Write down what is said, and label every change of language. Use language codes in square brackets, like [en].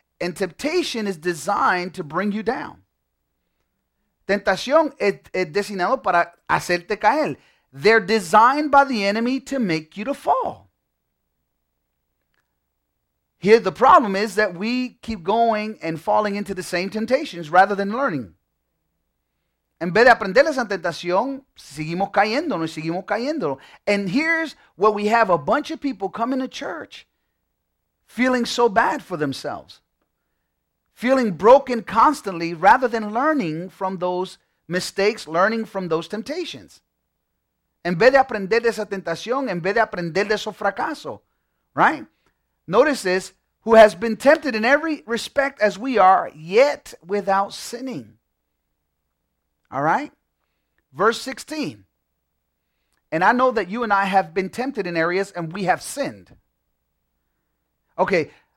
[en] And temptation is designed to bring you down. [es] Tentación es designado para hacerte caer. [en] They're designed by the enemy to make you to fall. Here the problem is that we keep going and falling into the same temptations rather than learning. [es] En vez de aprender esa tentación, seguimos cayéndonos y seguimos cayéndonos. [en] And here's where we have a bunch of people coming to church feeling so bad for themselves. Feeling broken constantly rather than learning from those mistakes, learning from those temptations. [es] En vez de aprender de esa tentación, en vez de aprender de esos fracasos, [en] right? Notice this, who has been tempted in every respect as we are, yet without sinning. All right? Verse 16. And I know that you and I have been tempted in areas and we have sinned. Okay.